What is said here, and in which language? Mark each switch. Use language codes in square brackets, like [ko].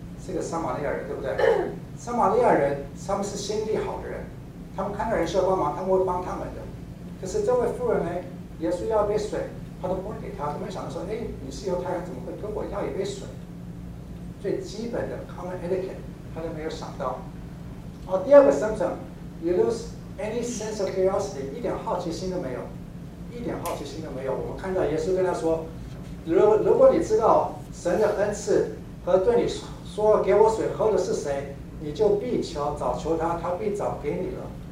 [zh] 这个撒玛利亚人，对不对？撒玛利亚人他们是心地好的人，他们看到人需要帮忙，他们会帮他们的。可是这位妇人呢，耶稣要一杯水，他都不会给他，他们想着说：“哎，你是犹太人，怎么会跟我要一杯水？” 最基本的 common etiquette， 他都没有想到。好，第二个 symptom， [en] you lose any sense of curiosity， [zh] 一点好奇心都没有。一点好奇心都没有。我们看到耶稣跟他说：“如果你知道神的恩赐和对你说给我水喝的是谁，你就必求早求他，他必早给你了。